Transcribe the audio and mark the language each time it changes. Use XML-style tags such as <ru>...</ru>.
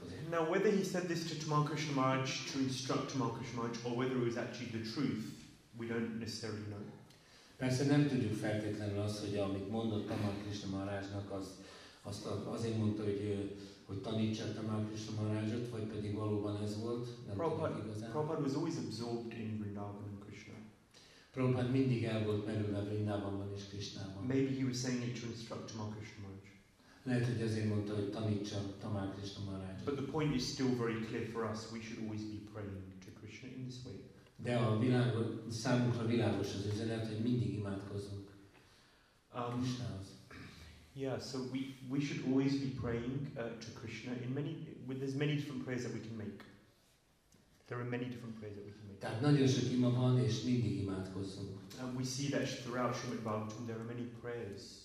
<en>Now, whether he said this to Tamal Krishna Maharaj, to instruct Tamal Krishna Maharaj, or whether it was actually the truth, we don't necessarily know.</en> <hu>Persze nem tudjuk feltétlenül azt, hogy amit mondott Tamal Krishna Maharajnak, azért mondta, hogy tanítsa Tamal Krishna Maharajot, vagy pedig valóban ez volt, nem tudom igazán.</hu> <en>Prabhupada was always absorbed in Vrindavan and Krishna.</en> <hu>Prabhupada mindig el volt merülve Vrindavanban és Krishnában.</hu> <en>Maybe he was saying it to instruct Tamal Krishna Maharaj.</en> <hu>Lehet, hogy azért mondta, hogy tanítsa Tamal Krishna Maharajot.</hu> <en>But the point is still very clear for us, we should always be praying to Krishna in this way.</en> <hu>De a világot, számunkra világos az üzenet, hogy mindig imádkozunk. Krishnához.</hu> <en>Yeah, so we should always be praying to Krishna in many, with there's many different prayers that we can make. There are many different prayers that we can make.</en> <hu>Tehát nagyon sok ima van, és mindig imádkozzunk.</hu> <en>And we see that throughout Srimad Bhagavatam there are many prayers.</en>